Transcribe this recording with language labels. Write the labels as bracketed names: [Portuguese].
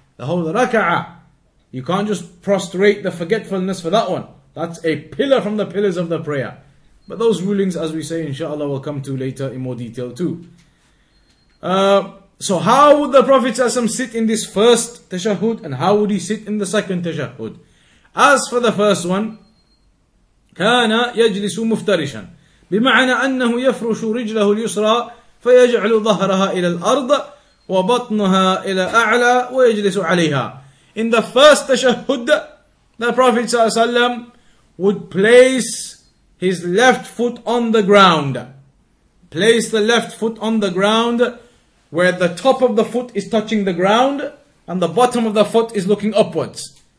[English] The whole raka'ah. You can't just prostrate the forgetfulness for that one. That's a pillar from the pillars of the prayer. But those rulings, as we say, inshallah, will come to later in more detail too. So how would the Prophet ﷺ sit in this first tashahhud, and how would he sit in the second tashahhud? As for the first one, [Arabic] كان يجلس مفترشا بمعنى أنه يفرش رجله اليسرى فيجعل ظهرها إلى الأرض وبطنها إلى أعلى ويجلس عليها. [English] In the first tashahhud, the Prophet ﷺ would place his left foot on the ground. Place the left foot on the ground where the top of the foot is touching the ground and the bottom of the foot is looking upwards.